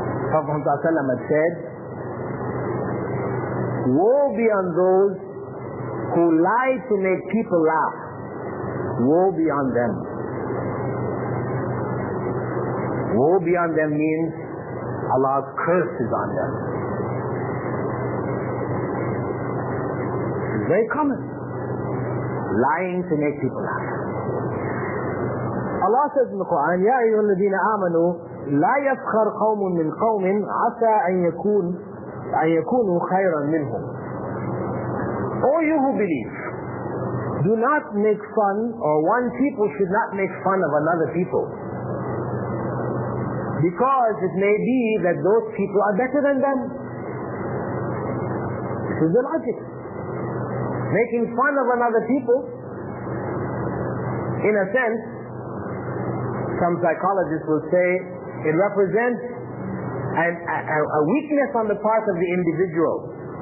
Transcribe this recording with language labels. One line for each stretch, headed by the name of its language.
English: Prophet ﷺ had said, woe be on those who lie to make people laugh. Woe be on them. Woe be on them means Allah's curse is on them. It's very common. Lying to make people laugh. Allah says in the Quran,
Arabic: يَا أَيُّهَا الَّذِينَ آمَنُوا لَا يَفْخَرْ قَوْمٌ مِّنْ قَوْمٍ عَسَىٰ أَن يَكُونُوا خَيْرًا مِّنْهُمْ.
English: O you who believe, do not make fun, or one people should not make fun of another people, because it may be that those people are better than them. This is the logic. Making fun of another people, in a sense, some psychologists will say it represents a weakness on the part of the individual.